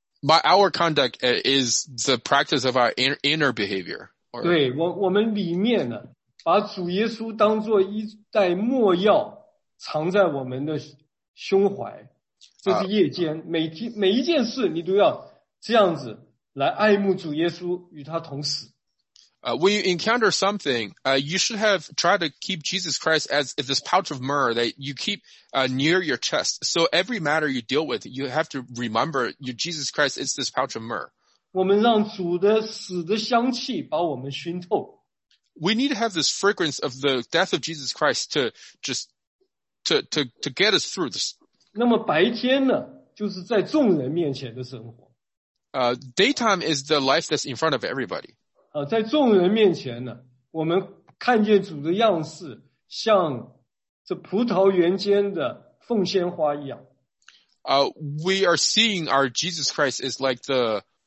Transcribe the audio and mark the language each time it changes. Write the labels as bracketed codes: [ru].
[en] My outward conduct is the practice of our inner behavior. [zh] 对，我们里面呢。把主耶稣当作一袋墨药藏在我们的胸怀，这是夜间每一件事你都要这样子来爱慕主耶稣，与他同死。 [en] When you encounter something, you should have tried to keep Jesus Christ as this pouch of myrrh that you keep near your chest. So every matter you deal with, you have to remember your Jesus Christ is this pouch of myrrh. [zh] 我们让主的死的香气把我们熏透。 [en] We need to have this fragrance of the death of Jesus Christ to get us through this. [zh] 那么白天呢，就是在众人面前的生活。 [en] Daytime is the life that's in front of everybody. [zh] 在众人面前呢，我们看见主的样式，像这葡萄园间的凤仙花一样。 [en] We are seeing our Jesus Christ is like the